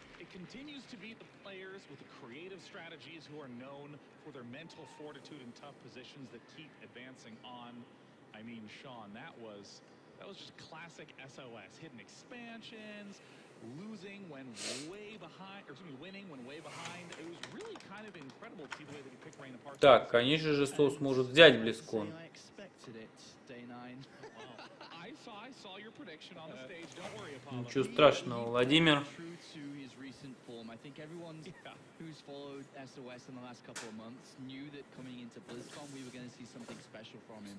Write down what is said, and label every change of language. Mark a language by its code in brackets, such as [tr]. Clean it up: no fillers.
[en] Continues to be the players with the creative strategies who are known for their mental fortitude in tough positions that keep advancing on. I mean, Sean, that was just classic SOS. Hidden expansions, losing when way behind, or excuse me, winning when way behind. It was really kind of incredible to see the way that he picked Rain apart. [ru] Так, конечно же, Сос может взять Близкон. [en] I expected it, day nine. I saw your prediction on the stage. Don't worry, Apollo. [ru] Ничего страшного, Владимир. [en] I think everyone who's followed SOS in the last couple of months knew that coming into BlizzCon we were going to see something special from him.